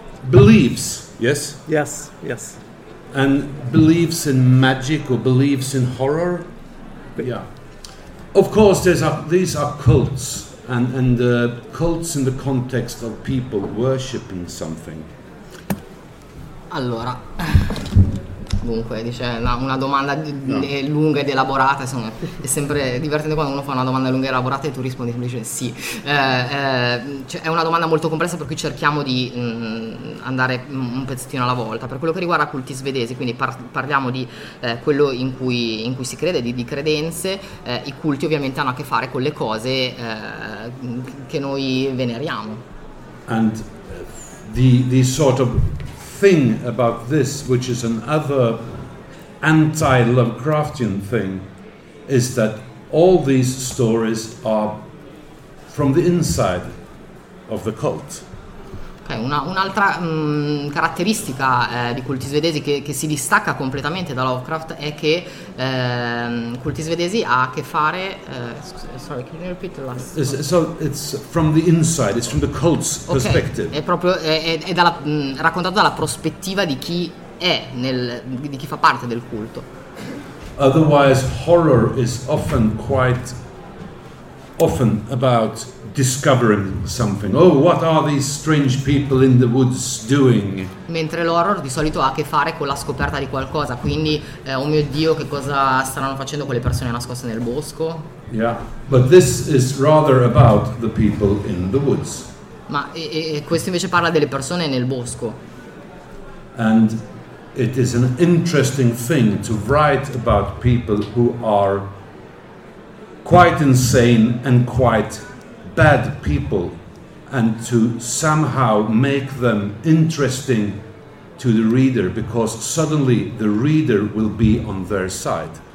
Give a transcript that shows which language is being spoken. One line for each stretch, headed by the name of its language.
English: Beliefs, yes? Yes, yes. And beliefs in magic or beliefs in horror? Yeah. Of course, these are cults. And cults in the context of people worshipping something.
Italian: Allora, dunque, dice una domanda lunga ed elaborata, insomma, è sempre divertente quando uno fa una domanda lunga e elaborata e tu rispondi e dice sì. Cioè, è una domanda molto complessa, per cui cerchiamo di andare un pezzettino alla volta. Per quello che riguarda culti svedesi, quindi parliamo di quello in cui si crede, di credenze, i culti ovviamente hanno a che fare con le cose che noi veneriamo.
English: And the sort of thing about this, which is another anti-Lovecraftian thing, is that all these stories are from the inside of the cult.
Italian: Okay, un'altra caratteristica di culti svedesi che si distacca completamente da Lovecraft è che culti svedesi ha a che fare.
English: Sorry, can you repeat the last? So it's from the inside, it's from the cult's perspective.
Italian: Okay, raccontato dalla prospettiva di chi è di chi fa parte del culto.
English: Otherwise, horror is often quite often about discovering something. Oh, what are these strange people in the woods doing?
Italian: Mentre l'horror di solito ha a che fare con la scoperta di qualcosa, quindi oh mio Dio, che cosa staranno facendo quelle persone nascoste nel bosco?
English: Yeah, but this is rather about the people in the woods.
Italian: Ma questo invece parla delle persone nel bosco.
English: And it is an interesting thing to write about people who are quite insane and quite bad people, and to somehow make them interesting to the reader, because suddenly the reader will be on their side.